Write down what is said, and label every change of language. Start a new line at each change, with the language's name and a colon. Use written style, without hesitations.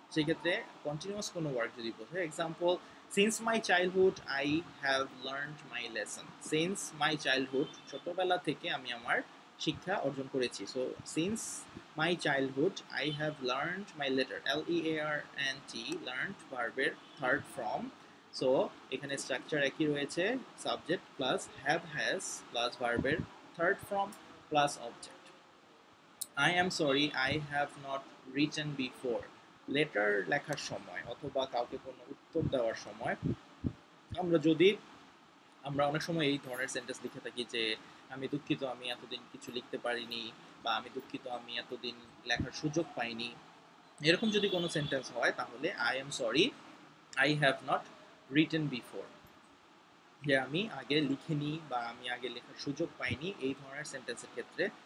Bangla: সেই ক্ষেত্রে কন্টিনিউয়াস কোনো ওয়ার্ক যদি বোঝে, example,
English: since my childhood I have learned my lesson,
Bangla: since my childhood, ছোটোবেলা থেকে আমি আমার শিক্ষা অর্জন করেছি,
English: so since my childhood I have learned my letter,
Bangla: L E আর N T, learned, ভার্বের থার্ড ফর্ম, সো এখানে স্ট্রাকচার একই রয়েছে, subject plus have has plus ভার্বের third form plus object.
English: I am sorry, I have not written before.
Bangla: Letter লেখার সময় অথবা কাউকে কোনো উত্তর দেওয়ার সময় আমরা যদি, আমরা অনেক সময় এই ধরনের সেন্টেন্স লিখে থাকি যে আমি দুঃখিত আমি এতদিন কিছু লিখতে পারিনি, বা আমি দুঃখিত আমি এতদিন লেখার সুযোগ পাইনি, এরকম যদি কোনো সেন্টেন্স হয় তাহলে
English: I am sorry I have not written before,
Bangla: যে আমি আগে লিখিনি বা আমি আগে লেখার সুযোগ পাইনি, এই ধরনের সেন্টেন্সের ক্ষেত্রে।